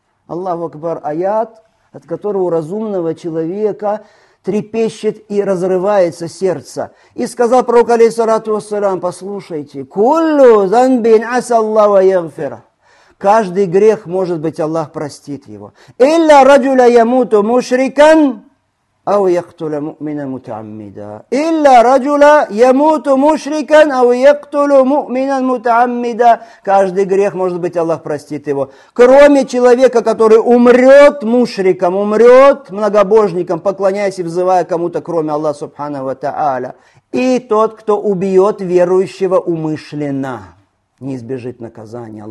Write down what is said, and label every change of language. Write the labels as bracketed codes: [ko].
[ru] Аллаху Акбар, аят, от которого у разумного человека трепещет и разрывается сердце. И сказал пророк, алейхиссалату вассалям, послушайте, [ar] куллю занбин асаллаху ваягфира. [ru] Каждый грех, может быть, Аллах простит его. [ar] Илля раджуля ямуту мушрикан. أو يقتل مؤمنا متعمدا إلا رجلا يموت مشركا أو يقتل مؤمنا متعمدا. [ru] Каждый грех, может быть, Аллах простит его, кроме человека, который умрет мушриком, умрет многобожником, поклоняясь и взывая кому-то кроме Аллаха Субхана ва Тааля, и тот, кто убьет верующего умышленно, не избежит наказания.